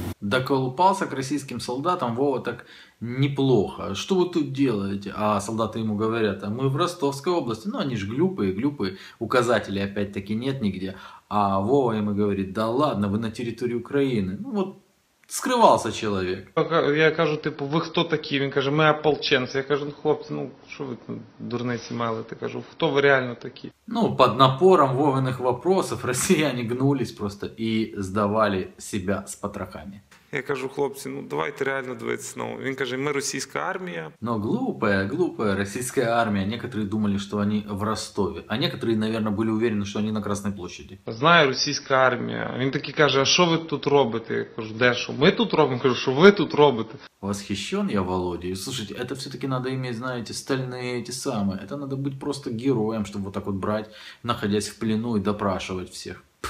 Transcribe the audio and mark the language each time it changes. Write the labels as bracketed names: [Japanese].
[Russian] Доколупался к российским солдатам Вова так неплохо. Что вы тут делаете? А солдаты ему говорят, а мы в Ростовской области. Ну, они же глюпые, глюпые. Указателей опять-таки нет нигде. А Вова ему говорит, да ладно, вы на территории Украины. Ну, вот скрывался человек. [Ukrainian] Я кажу, типу, вы кто такие? Він каже, ми ополченці. Я кажу, ну хлопці, ну що ви там дурниці мали? Ти кажу, хто ви реально такі? Ну, під напором Вовиних вопросів росіяни гнулись просто і здавали себе з потрохами. Я кажу, хлопці, ну давайте реально дивитися знову. Він каже, ми російська армія. [Russian] Ну, глупая, глупая російська армія. Некоторые думали, [Ukrainian] що вони в Ростові. [Russian] А некоторые, наверное, були уверены, що вони на Красной площади. [Ukrainian] Знаю, російська армія. Він таки каже, а що ви тут робите? Я кажу, де що? Ми тут робимо? Кажу, що ви тут робите? [Russian] Восхищен я Володею. Слушайте, это все-таки надо иметь, знаете, стальные эти самые. Это надо быть просто героем, чтобы вот так вот брать, находясь в плену и допрашивать всех.